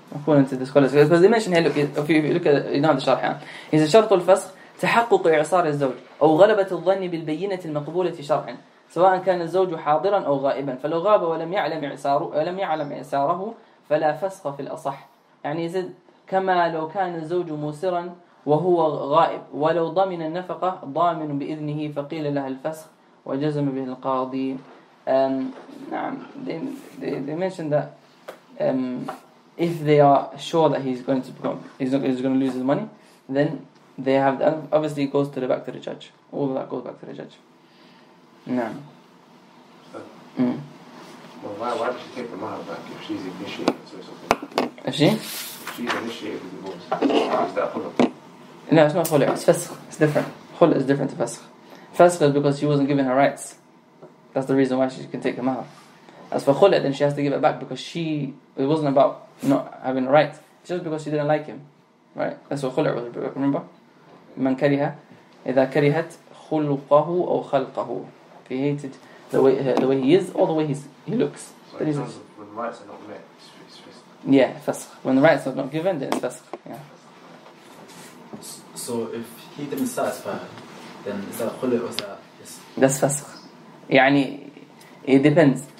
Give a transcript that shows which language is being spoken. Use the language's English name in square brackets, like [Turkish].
[English] According to the scholars, because they mention here, look, if you look at, you know, the sharh, he says, [Arabic] شرط الفسخ تحقق إعصار الزوج أو غلبة الظن بالبينة المقبولة شرعا سواء كان الزوج حاضرا أو غائبا فلو غاب ولم يعلم إعصاره ولم يعلم إعصاره فلا فسخ في الأصح. يعني زد كما لو كان الزوج مسرا وهو غائب ولو ضمن النفقة ضامن بإذنه فقيل له الفسخ وجزم به القاضي. [English] They mentioned that if they are sure that he's going to lose his money, then they have the, obviously it goes to the back to the judge. All of that goes back to the judge. No. Well, why did she take the mahar back if she's initiated? If she? She's initiated the divorce. How is that khulu? No, it's not khulu. It's fasq. It's different. Khulu is different to fasq. Fasq is because she wasn't given her rights. That's the reason why she can take the mahar. As for khulu, then she has to give it back because she, it wasn't about not having a right. Just because she didn't like him. Right? That's what khulu was, remember? [Arabic] من كريها إذا كرهت خلقه أو خلقه. [English] If he hated the way he is or the way he looks. So when the rights are not met, it's fasq. Yeah, fasq. When the rights are not given, then it's fasq. Yeah. So if he didn't satisfy her, then is that khulu or is that... That's fasq. يعني, it depends.